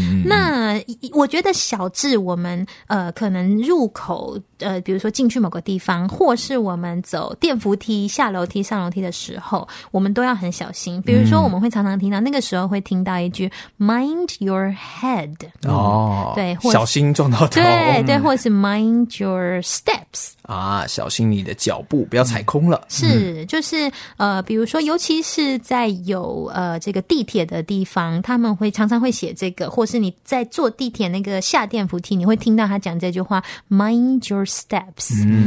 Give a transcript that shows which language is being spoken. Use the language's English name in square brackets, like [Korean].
[Chinese] 那我觉得小至我们可能入口比如说进去某个地方，或是我们走电扶梯下楼梯上楼梯的时候，我们都要很小心。比如说我们会常常听到那个时候会听到一句 [English] mind your head。 [Chinese] 对，或小心撞到头。对对，或是 [English] mind your steps [Chinese] 啊，小心你的脚步，不要踩空了。是，就是比如说尤其是在有这个地铁的地方，他们会常常会写这个，或是你在坐地铁那个下电扶梯，你会听到他讲这句话 [English] mind your steps。